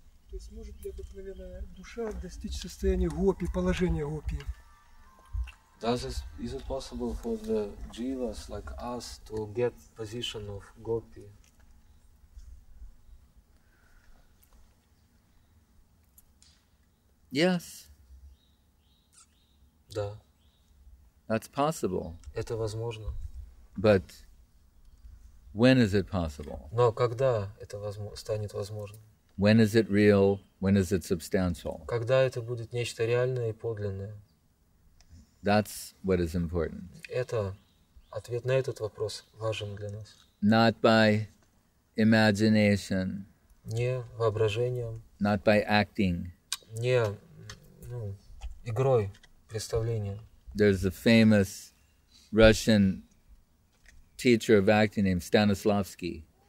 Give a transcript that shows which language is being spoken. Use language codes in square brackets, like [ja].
[ru] То есть может ли обыкновенная душа достичь состояния гопи, положения гопи? [en] Is it possible for the jivas like us to get position of gopi? Yes. [ru] Да. [en] That's possible. [ru] Это возможно. [en] But when is it possible? [ru] Но когда это станет возможным? [en] When is it real? When is it substantial? [ru] Когда это будет нечто реальное и подлинное? [en] That's what is important. [ru] Это ответ на этот вопрос важен для нас. [en] Not by imagination. [ru] Не воображением. [en] Not by acting. [ru] Не игрой, представлением. [en] There's a famous Russian teacher of acting named Stanislavski.